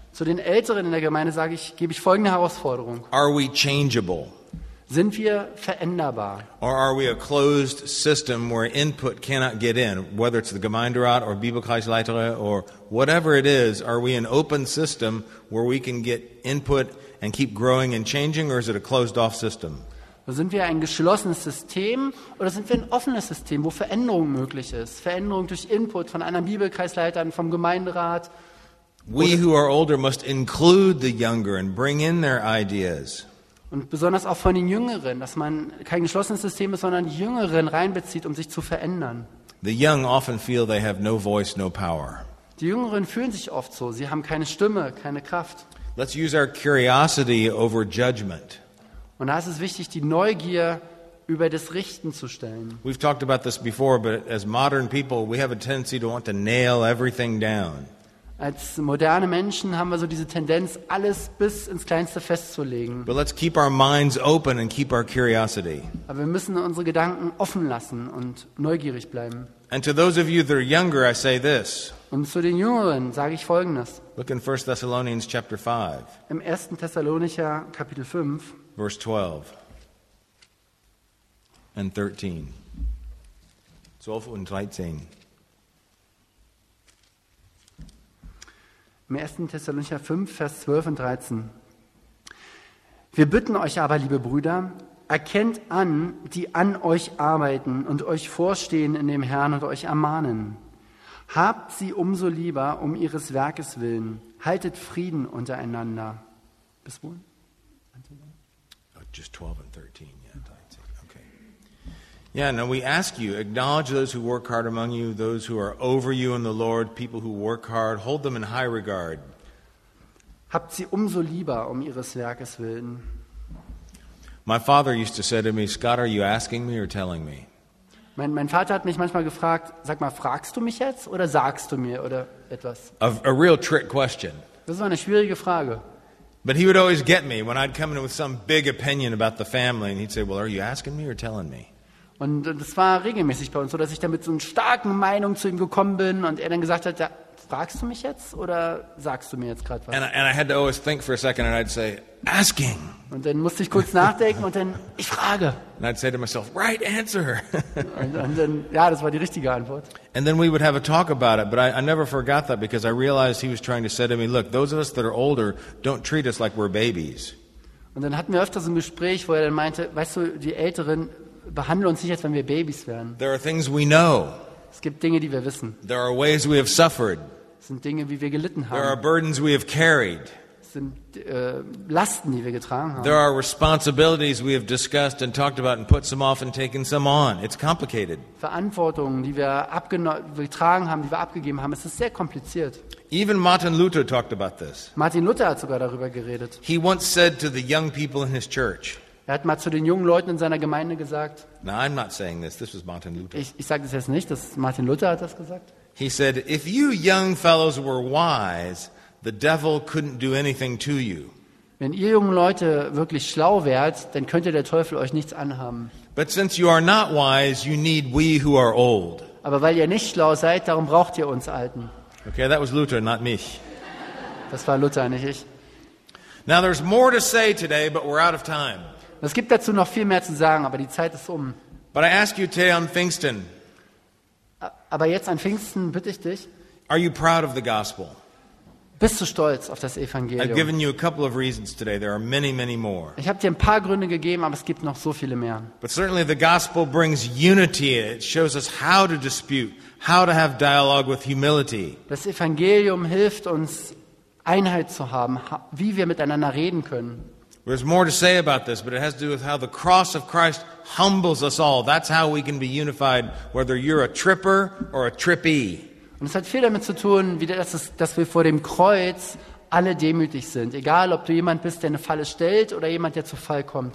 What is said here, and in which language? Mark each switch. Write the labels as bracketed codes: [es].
[de] Zu den Älteren in der Gemeinde sage ich, gebe ich folgende Herausforderung. [en] Are we changeable? [de] Sind wir veränderbar? [en] Or are we a closed system where input cannot get in, whether it's the Gemeinderat or Bibelkreisleiter or whatever it is, are we an open system where we can get input and keep growing and changing, or is it a closed off system? [de] Sind wir ein geschlossenes System oder sind wir ein offenes System, wo Veränderung möglich ist? Veränderung durch Input von anderen Bibelkreisleitern, vom Gemeinderat. [en] We who are older must include the younger and bring in their ideas. [de] Und besonders auch von den Jüngeren, dass man kein geschlossenes System ist, sondern die Jüngeren reinbezieht, um sich zu verändern. [en] The young often feel they have no voice, no power. [de] Die Jüngeren fühlen sich oft so, sie haben keine Stimme, keine Kraft. [en] Let's use our curiosity over judgment. [de] Und da ist es wichtig, die Neugier über das Richten zu stellen. [en] We've talked about this before, but as modern people, we have a tendency to want to nail everything down. [de] Als moderne Menschen haben wir so diese Tendenz, alles bis ins Kleinste festzulegen. [en] But let's keep our minds open and keep our curiosity. [de] Aber wir müssen unsere Gedanken offen lassen und neugierig bleiben. [en] And to those of you that are younger, I say this. [de] Und zu den Jüngeren sage ich Folgendes. [en] Look in 1 Thessalonians chapter 5. [de] Im 1. Thessalonicher Kapitel 5. [en] Verse 12 and 13. [de] 12 und 13. Im 1. Thessalonicher 5, Vers 12 und 13. Wir bitten euch aber, liebe Brüder, erkennt an, die an euch arbeiten und euch vorstehen in dem Herrn und euch ermahnen. Habt sie umso lieber um ihres Werkes willen. Haltet Frieden untereinander. Bis wohl. [en] Just 12 and 13. Yeah, 19. Okay. Yeah, now we ask you, acknowledge those who work hard among you, those who are over you in the Lord, people who work hard, hold them in high regard. [de] Habt sie umso lieber um ihres Werkes willen. [en] My father used to say to me, Scott, are you asking me or telling me? [de] Mein Vater hat mich manchmal gefragt, sag mal, fragst du mich jetzt oder sagst du mir oder etwas? [en] A real trick question. [de] Das war eine schwierige Frage. [en] But he would always get me when I'd come in with some big opinion about the family, and he'd say, "Well, are you asking me or telling me?" [de] Und das war regelmäßig bei uns so, dass ich da mit so einer starken Meinung zu ihm gekommen bin und er dann gesagt hat, ja, fragst du mich jetzt oder sagst du mir jetzt gerade was? [en] And I had to always think for a second and I'd say, asking. [de] Und dann musste ich kurz nachdenken und dann, ich frage. [en] And I'd say to myself, right answer. [de] Und dann, ja, das war die richtige Antwort. [en] And then we would have a talk about it, but I never forgot that because I realized he was trying to say to me, look, those of us that are older, don't treat us like we're babies. [de] Und dann hatten wir öfter so ein Gespräch, wo er dann meinte, weißt du, die Älteren behandeln uns nicht, als wenn wir Babys wären. [en] There are things we know. [de] Es gibt Dinge, die wir wissen. [en] There are ways we have suffered. [de] Es sind Dinge, wie wir gelitten haben. [en] There are burdens we have carried. [de] Es sind Lasten, die wir getragen haben. [en] There are responsibilities we have discussed and talked about and put some off and taken some on. It's complicated. [de] Verantwortungen, die wir getragen haben, die wir abgegeben haben, es ist sehr kompliziert. [en] Even Martin Luther talked about this. [de] Martin Luther hat sogar darüber geredet. [en] He once said to the young people in his church. [de] Er hat mal zu den jungen Leuten in seiner Gemeinde gesagt. [en] No, I'm not saying this. This was Martin Luther. [de] Ich sage das jetzt nicht. Das Martin Luther hat das gesagt. [en] He said, if you young fellows were wise, the devil couldn't do anything to you. [de] Wenn ihr jungen Leute wirklich schlau wärt, dann könnte der Teufel euch nichts anhaben. [en] But since you are not wise, you need we who are old. [de] Aber weil ihr nicht schlau seid, darum braucht ihr uns Alten. [en] Okay, that was Luther, not me. [de] Das war Luther, nicht ich. [en] Now there's more to say today, but we're out of time. [de] Es gibt dazu noch viel mehr zu sagen, aber die Zeit ist um. [en] But I ask you today on Pfingsten. [de] Aber jetzt an Pfingsten bitte ich dich. [en] Are you proud of the gospel? [de] Bist du stolz auf das Evangelium? [en] I've given you a couple of reasons today. There are many, many more. [de] Ich habe dir ein paar Gründe gegeben, aber es gibt noch so viele mehr. [en] But certainly the gospel brings unity. It shows us how to dispute, how to have dialogue with humility. [de] Das Evangelium hilft uns, Einheit zu haben, wie wir miteinander reden können. [en] There's more to say about this, but it has to do with how the cross of Christ humbles us all. That's how we can be unified, whether you're a tripper or a trippy. [de] Und es hat viel damit zu tun, wie dass wir vor dem Kreuz alle demütig sind, egal ob du jemand bist, der eine Falle stellt oder jemand, der zu Fall kommt.